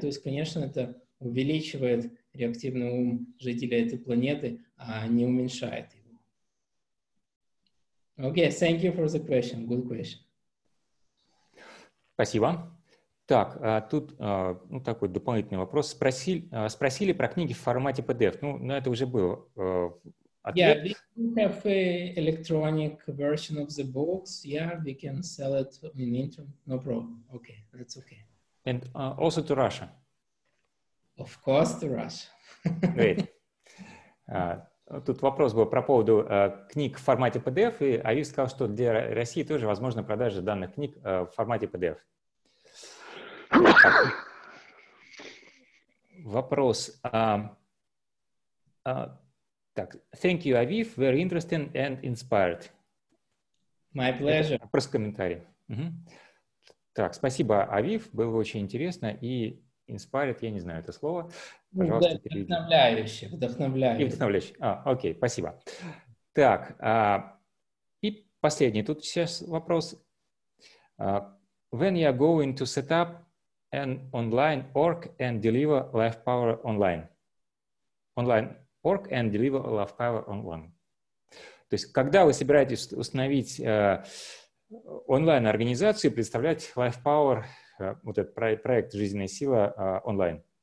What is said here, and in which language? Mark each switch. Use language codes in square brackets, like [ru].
[ru] То есть, конечно, это увеличивает реактивный ум жителей этой планеты, а не уменьшает его. [en] Okay, thank you for the question. Good question. [ru] Спасибо. Так, тут такой дополнительный вопрос. Спросили про книги в формате PDF. Ну, на это уже был ответ. [en] Yeah, we have an electronic version of the books. Yeah, we can sell it in internet. No problem. Okay, that's okay. And also to Russia. Of course, to Russia. Great. [ru] Тут вопрос был про поводу книг в формате PDF, и Авив сказал, что для России тоже возможна продажа данных книг в формате PDF. Вопрос. [en] Thank you, Авив. Very interesting and inspired. My pleasure. [ru] Это просто комментарий. Угу. Так, спасибо, Авив. Было очень интересно и inspired, я не знаю это слово. Пожалуйста, вдохновляюще, вдохновляюще. И вдохновляюще. А, окей, спасибо. Так, и последний тут сейчас вопрос. [en] When you're going to set up an online org and deliver live power online? Online org and deliver live power online. [ru] То есть, когда вы собираетесь установить онлайн-организацию и представлять Life Power, вот этот проект «Жизненная сила» онлайн?